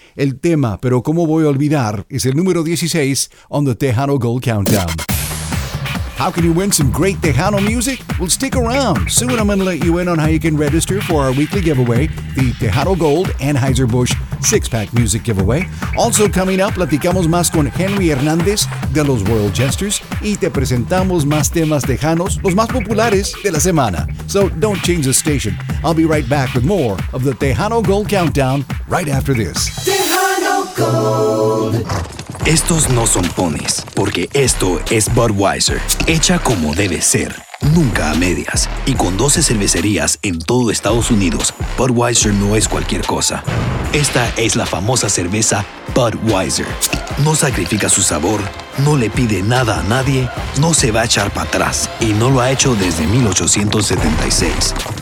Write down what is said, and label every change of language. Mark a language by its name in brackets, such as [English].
[Spanish] El tema, [English] Pero Cómo Voy a Olvidar, is [Spanish] el número [English] 16 on the Tejano Gold Countdown. How can you win some great Tejano music? Well, stick around. Soon I'm going to let you in on how you can register for our weekly giveaway, the Tejano Gold Anheuser-Busch 6-Pack Music Giveaway. Also coming up, [Spanish] platicamos más con Henry Hernández de los Royal Jesters y te presentamos más temas tejanos, los más populares de la semana. [English] So don't change the station. I'll be right back with more of the Tejano Gold Countdown right after this. Tejano Gold. [Spanish] Estos no son ponis, porque esto es Budweiser, hecha como debe ser, nunca a medias. Y con 12 cervecerías en todo Estados Unidos, Budweiser no es cualquier cosa. Esta es la famosa cerveza Budweiser. No sacrifica su sabor, no le pide nada a nadie, no se va a echar para atrás y no lo ha hecho desde 1876.